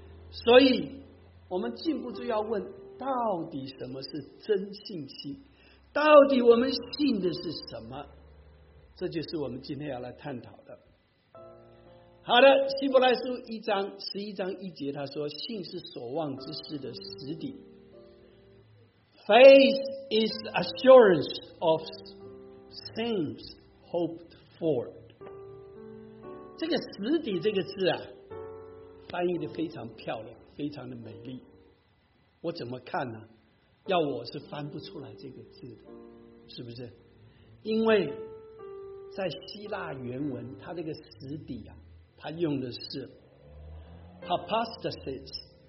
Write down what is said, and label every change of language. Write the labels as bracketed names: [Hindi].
[Chinese] 所以我们进一步就要问，到底什么是真信心？到底我们信的是什么？这就是我们今天要来探讨的。好的，希伯来书一章十一章一节，他说信是所望之事的实底。 [English] Faith is assurance of things hoped for。 [Chinese] 这个实底这个字啊，翻译的非常漂亮，非常的美丽。我怎么看呢？要我是翻不出来这个字的，是不是？因为在希腊原文，它这个实底啊，他用的是 hypostasis。